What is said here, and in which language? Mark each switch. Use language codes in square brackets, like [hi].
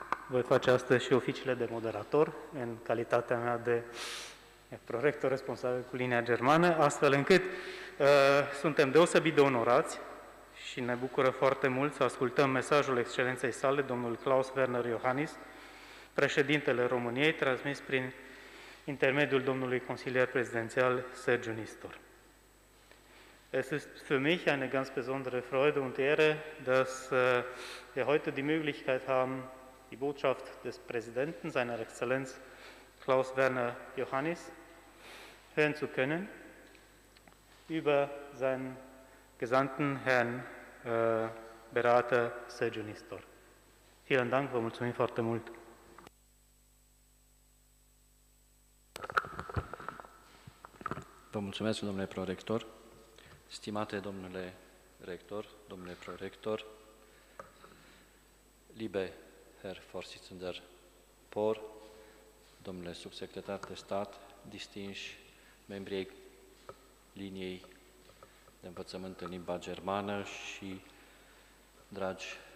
[ro] Voi face astăzi și oficiile de moderator în calitatea mea de prorector responsabil cu linia germană, astfel încât suntem deosebit de onorați Și ne bucură foarte mult să ascultăm mesajul excelenței sale, domnul Klaus Werner Iohannis, președintele României, transmis prin intermediul domnului consilier prezidențial Sergiu Nistor. [de] Es ist für mich eine ganz besondere Freude und Ehre, dass wir heute die Möglichkeit haben, die Botschaft des Präsidenten, seiner Exzellenz Klaus Werner Iohannis, hören zu können über seinen Gesandten, Herrn Berater Sergiu Nistor. Vielen Dank, [ro] vă mulțumim foarte mult! Vă mulțumesc, domnule prorector, stimate domnule rector, domnule prorector, [de] liebe Herr Vorsitzender [ro] Por, domnule subsecretar de stat, distinși membrii liniei de învățământ în limba germană și dragi